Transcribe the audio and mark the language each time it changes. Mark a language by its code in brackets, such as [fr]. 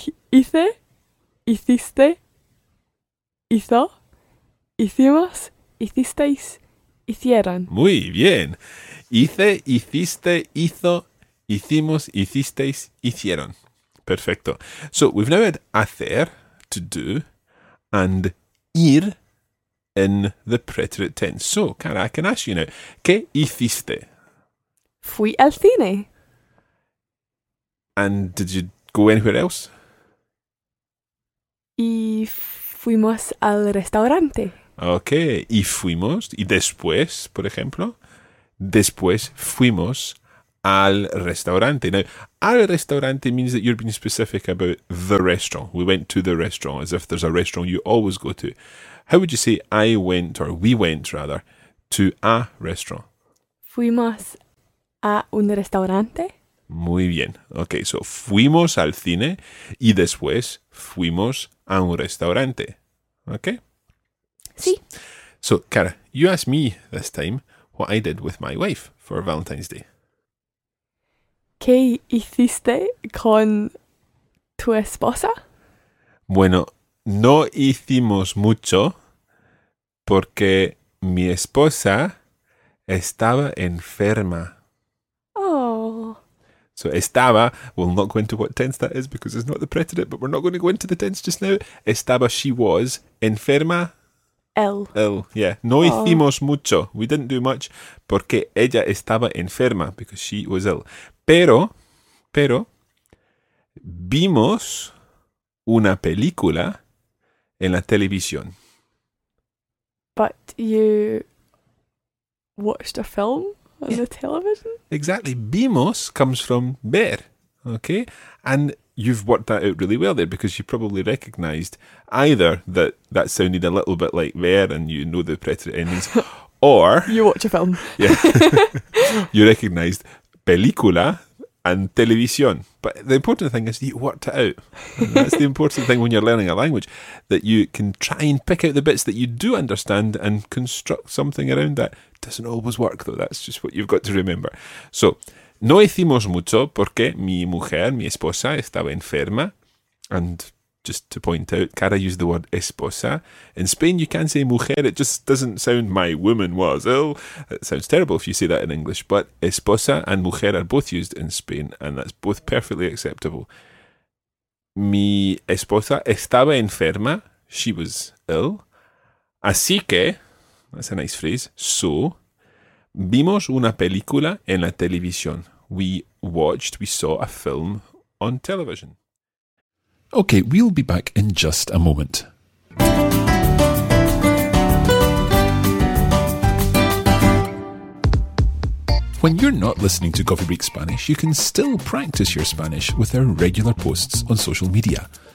[es] Hice, hiciste, hizo, hicimos, hicisteis, hicieron. Muy bien. Hice, hiciste, hizo, hicimos, hicisteis, hicieron. Perfecto. [en] So we've now had hacer, to do, and ir in the preterite tense. So, Cara, I can ask you now, [es] ¿qué hiciste? Fui al cine. [en] And did you go anywhere else? [es] Y fuimos al restaurante. Okay, y fuimos, y después, por ejemplo, después fuimos al restaurante. [en] Now, al restaurante means that you're being specific about the restaurant. We went to the restaurant, as if there's a restaurant you always go to. How would you say I went, or we went, rather, to a restaurant? [es] Fuimos a un restaurante. Muy bien. Okay, so fuimos al cine y después fuimos a un restaurante. [en] Okay? [es] Sí. [en] So, Cara, you asked me this time what I did with my wife for Valentine's Day. [es] ¿Qué hiciste con tu esposa? Bueno, no hicimos mucho porque mi esposa estaba enferma. [en] Oh. So estaba, we'll not go into what tense that is because it's not the preterite, but we're not going to go into the tense just now. Estaba, she was enferma. Ill. [es] Yeah. No hicimos mucho. [en] We didn't do much [es] porque ella estaba enferma, [en] because she was ill. [es] Pero, vimos una película en la televisión. [en] But you watched a film on the television? Exactly. Vimos comes from ver. Okay. And you've worked that out really well there, because you probably recognised either that sounded a little bit like ver and you know the preterite endings, or... You watch a film. Yeah. You recognised película and televisión. But the important thing is you worked it out. And that's the important thing when you're learning a language, that you can try and pick out the bits that you do understand and construct something around that. Doesn't always work, though. That's just what you've got to remember. So... [es] No hicimos mucho porque mi esposa, estaba enferma. [en] And just to point out, Cara used the word esposa. In Spain, you can say mujer. It just doesn't sound, my woman was ill. It sounds terrible if you say that in English. But esposa and mujer are both used in Spain, and that's both perfectly acceptable. [es] Mi esposa estaba enferma. [en] She was ill. [es] Así que, [en] that's a nice phrase, so... [es] Vimos una película en la televisión. [en] We saw a film on television. Okay, we'll be back in just a moment. When you're not listening to Coffee Break Spanish, you can still practice your Spanish with our regular posts on social media.